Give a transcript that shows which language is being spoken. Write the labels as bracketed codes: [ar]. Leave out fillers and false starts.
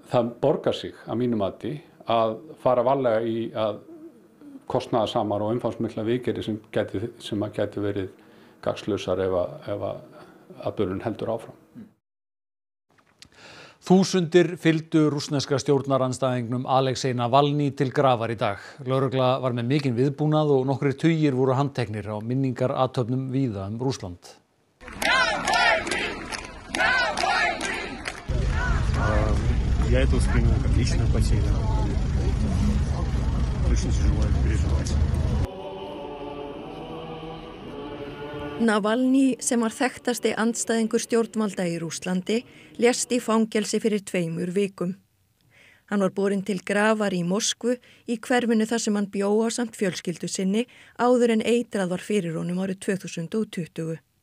[is] Það borga sig að mínu mati að fara varlega í að kostnaða samar og umfangsmikla viðgerðir sem gæti verið gagnslausar ef að börun heldur áfram. Þúsundir fylgdu rússneska stjórnarandstæðingnum Alexei Navalny til grafar í dag. Lögregla var með mikinn viðbúnað og nokkrir tugir voru handteknir á minningar athöfnum víða Rússland. [ru] Я это воспринял как личную потерю. Очень тяжело это переживать. [is] Навальный, sem var þekktasti andstæðingur stjórnvalda í Rússlandi, lést í fangelsi fyrir 2 vikum. Hann var borinn til grafar í Moskvu í hverfinu þar sem hann bjó ásamt fjölskyldu sinni áður en eitrað var fyrir honum árið 2020.